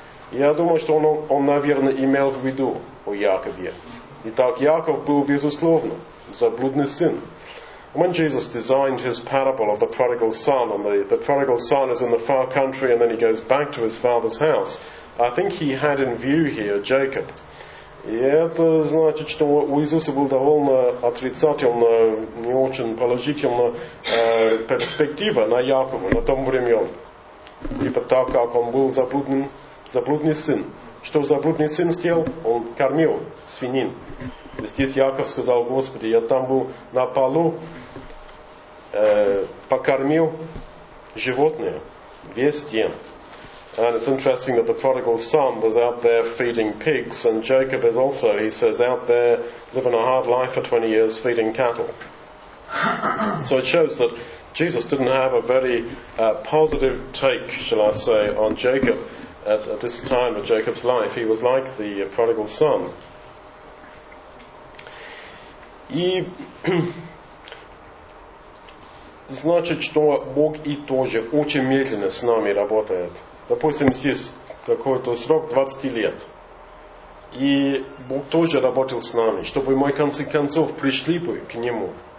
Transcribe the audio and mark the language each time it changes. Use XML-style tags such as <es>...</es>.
<ru>Я думаю, что он, наверное, имел в виду о Якове. Итак, Яков был, безусловно, заблудный сын.</ru> <en>When Jesus designed his parable of the prodigal son, and the prodigal son is in the far country and then he goes back to his father's house, I think he had in view here Jacob.</en> <ru>И это значит, что у Иисуса был довольно отрицательно, не очень положительно перспектива на Якова на том времен. Типа так, как он был заблудный сын. Что заблудный сын сделал? Он кормил свинин. И здесь Яков сказал, Господи, я там был на полу, покормил животное. Вестием.</ru> <en>And it's interesting that the prodigal son was out there feeding pigs, and Jacob is also, he says, out there living a hard life for 20 years feeding cattle. So it shows that Jesus didn't have a very positive take, shall I say, on Jacob at this time of Jacob's life. He was like the prodigal son.</en> <ru>И значит, что Бог и тоже очень медленно с нами работает. Допустим, здесь какой-то срок 20 лет. И Бог тоже работал с нами, чтобы мы, в конце концов, пришли бы к Нему.</ru>